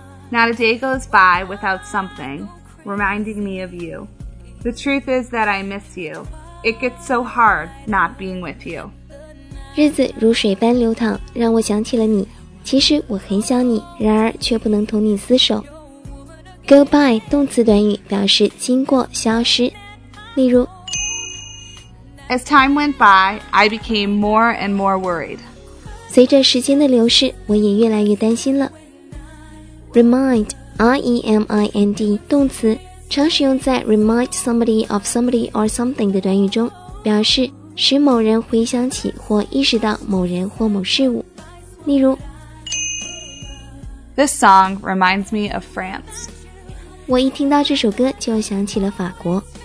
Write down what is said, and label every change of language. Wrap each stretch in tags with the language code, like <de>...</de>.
<en>Not a day goes by without something reminding me of you. The truth is that I miss you. It gets so hard not being with you.</en> <zh>日子如水般流淌，让我想起了你。其实我很想你，然而却不能同你厮守。 Go by 动词短语，表示经过、消失。例如</zh> <en>As time went by, I became more and more worried.</en> <zh>随着时间的流逝，我也越来越担心了。 Remind, R-E-M-I-N-D, 动词，常使用在</zh> <en>remind somebody of somebody or something</en> <zh>的短语中，表示使某人回想起或意识到某人或某事物。例如</zh> <en>This song reminds me of France.</en> <zh>我一听到这首歌就想起了法国。</zh>